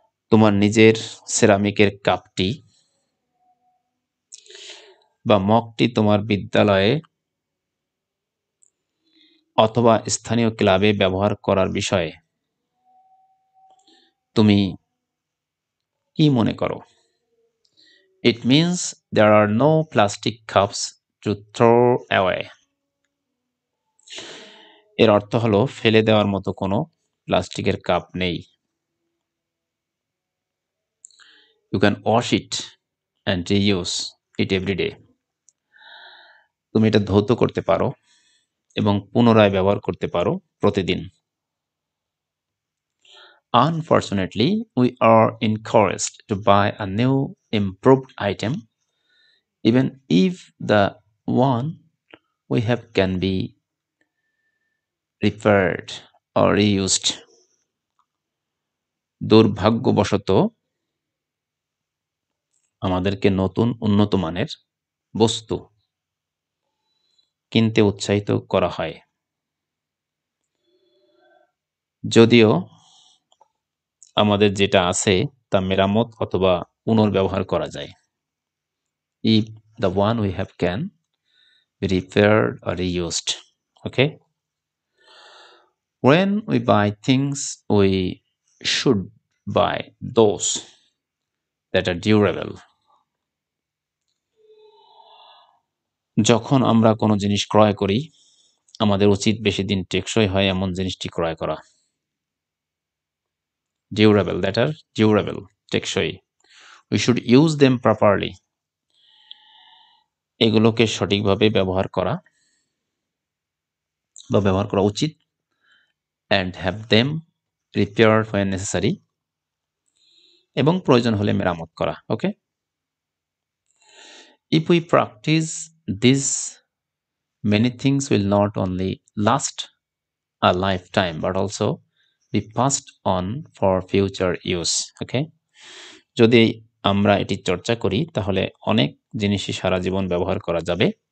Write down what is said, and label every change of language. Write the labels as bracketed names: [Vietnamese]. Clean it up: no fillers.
[Bangla] Tomar nijer ceramic er cup ti ba mug ti tomar biddyaloye অথবা স্থানীয় ক্লাবে ব্যবহার করার বিষয়ে তুমি কি মনে করো? [English] It means there are no plastic cups to throw away. [Bangla] এর অর্থ হলো ফেলে দেওয়ার মতো কোনো প্লাস্টিকের কাপ নেই. [English] You can wash it and reuse it every day. [Bangla] তুমি এটা ধৌত করতে পারো এবং পুনরায় ব্যবহার করতে পারো প্রতিদিন. [English] Unfortunately, we are encouraged to buy a new improved item, even if the one we have can be repaired or reused. [Bangla] দুর্ভাগ্যবশত আমাদেরকে নতুন উন্নত মানের বস্তু কিনতে উৎসাহিত করা হয়, যদিও আমাদের যেটা আছে তা মেরামত অথবা পুনর্ব্যবহার করা যায়। [English] If the one we have can be repaired or reused. Okay, when we buy things we should buy those that are durable. [Bangla] যখন আমরা কোনো জিনিস ক্রয় করি, আমাদের উচিত বেশি দিন টেকসই হয় এমন জিনিসটি ক্রয় করা। [English] Durable, that are durable, টেকসই। We should use them properly, [Bangla] এগুলোকে সঠিকভাবে ব্যবহার করা বা ব্যবহার করা উচিত। [English] And have them repaired when necessary, [Bangla] এবং প্রয়োজন হলে মেরামত করা। ওকে, [English] If we practice this many things will not only last a life time but also be passed on for future use. Okay, [Bangla] যদি আমরা এটি চর্চা করি তাহলে অনেক জিনিসই সারা জীবন ব্যবহার করা যাবে